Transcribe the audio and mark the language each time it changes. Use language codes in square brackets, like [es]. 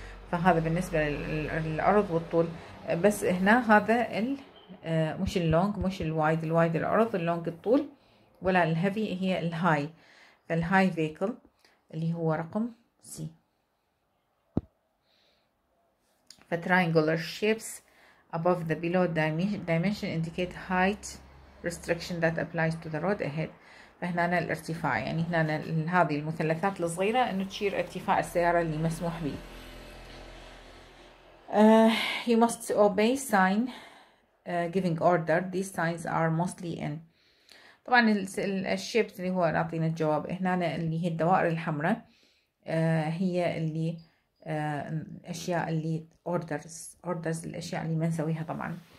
[ar] فهذا بالنسبة للارض والطول، بس هنا هذا مش اللونج مش الوايد، الوايد الارض، اللونج الطول، ولا الهيفي هي الهاي. فالهاي فيكل اللي هو رقم سي. [en] The triangular shapes above the below dimension indicate height restriction that applies to the road ahead. [ar] فهنا الارتفاع يعني هنا هذه المثلثات الصغيرة انه تشير ارتفاع السيارة اللي مسموح به. [en] You must obey sign giving order. These signs are mostly in. [ar] طبعا الشيبس اللي هو نعطينا الجواب هنا اللي هي الدوائر الحمراء هي اللي الأشياء اللي orders الأشياء اللي ما نسويها طبعا.